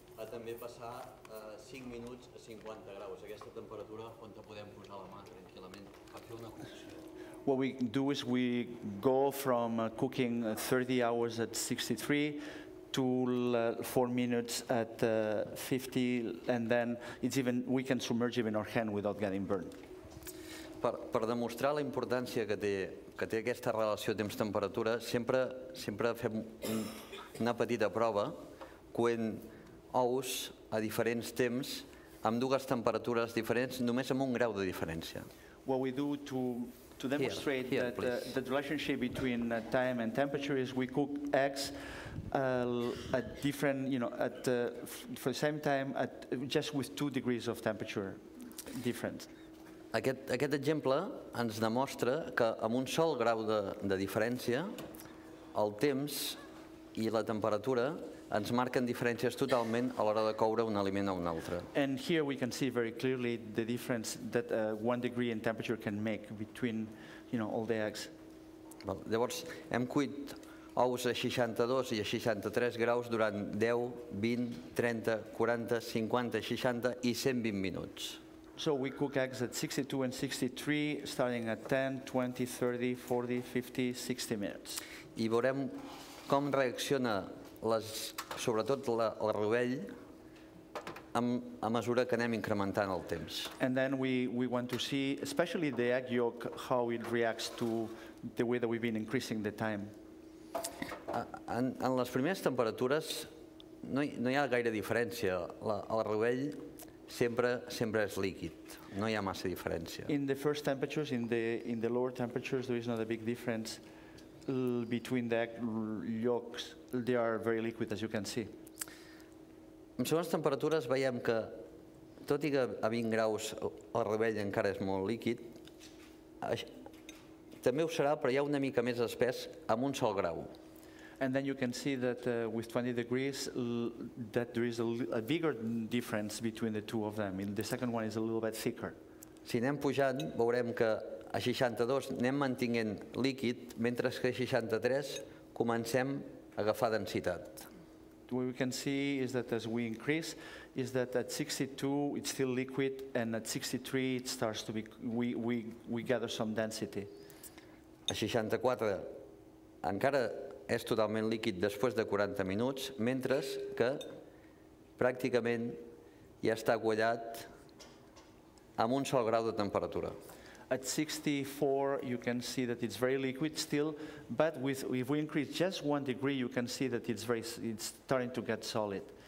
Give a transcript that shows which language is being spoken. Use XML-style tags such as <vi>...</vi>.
<ca>També passar 5 minuts a 50 graus, aquesta temperatura on podem posar la mà tranquil·lament per fer una cocció.</ca> <en>What we do is we go from cooking 30 hours at 63 to 4 minutes at 50, and then it's even we can submerge even our hand without getting burned.</en> <ca>Per demostrar la importància que té aquesta relació temps-temperatura, sempre fem una petita prova quan ous a diferents temps amb dues temperatures diferents només amb un grau de diferència.</ca> <en>What we do to demonstrate here, that the relationship between time and temperature is we cook eggs at different, you know, at for the same time at just with 2 degrees of temperature different.</en> <ca>Aquest exemple ens demostra que amb un sol grau de diferència el temps i la temperatura ens marquen diferències totalment a l'hora de coure un aliment o un altre.</ca> <en>And here we can see very clearly the difference that one degree in temperature can make between, you know, all the eggs.</en> <ca>Well, llavors, hem cuit ous a 62 i a 63 graus durant 10, 20, 30, 40, 50, 60 i 120 minuts.</ca> <en>So we cook eggs at 62 and 63, starting at 10, 20, 30, 40, 50, 60 minutes.</en> <ca>I veurem com reacciona sobretot el rovell a mesura que anem incrementant el temps.</ca> <en>And then we want to see, especially the egg yolk, how it reacts to the way that we've been increasing the time.</en> <ca>En les primeres temperatures no hi ha gaire diferència. El rovell sempre és líquid, no hi ha massa diferència.</ca> <en>In the first temperatures, in the lower temperatures, there is not a big difference between the egg yolks. They are very liquid, as you can see.</en> <ca>En segons temperatures veiem que, tot i que a 20 graus el rovell encara és molt líquid, també ho serà, però hi ha una mica més espès amb un sol grau.</ca> <en>And then you can see that with 20 degrees, that there is a bigger difference between the two of them. And the second one is a little bit thicker.</en> <ca>Si anem pujant, veurem que a 62 anem mantinguent líquid, mentre que a 63 comencem a agafar densitat.</ca> <en>What we can see is that as we increase, is that at 62 it's still liquid, and at 63 it starts to be, we gather some density.</en> <ca>A 64 encara és totalment líquid després de 40 minuts, mentre que pràcticament ja està quallat amb un sol grau de temperatura.</ca> <en>At 64, you can see that it's very liquid still, but with, if we increase just 1 degree, you can see that it's very, it's starting to get solid.</en>